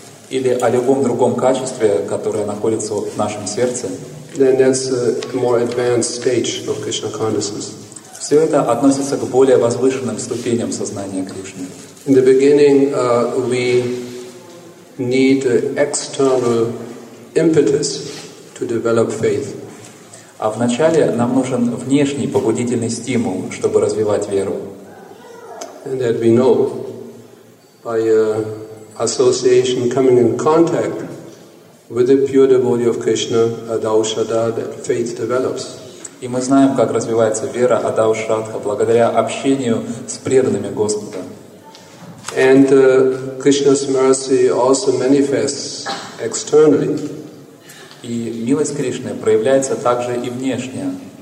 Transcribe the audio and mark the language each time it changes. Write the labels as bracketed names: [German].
[Russian] или о любом другом качестве, которое находится в нашем сердце, [English] then that's a more advanced stage of Krishna consciousness. [Russian] Все это относится к более возвышенным ступеням сознания Кришны. [English] In the beginning, we need an external impetus to develop faith. [Russian] А вначале нам нужен внешний побудительный стимул, чтобы развивать веру. [English] And that we know by association, coming in contact with the pure devotee of Krishna, Adaushada, that faith develops. [Russian] И мы знаем, как развивается вера Адаушадха благодаря общению с преданными Господа. [English] And Krishna's mercy also manifests externally. [Russian] И милость Кришны проявляется также и внешне.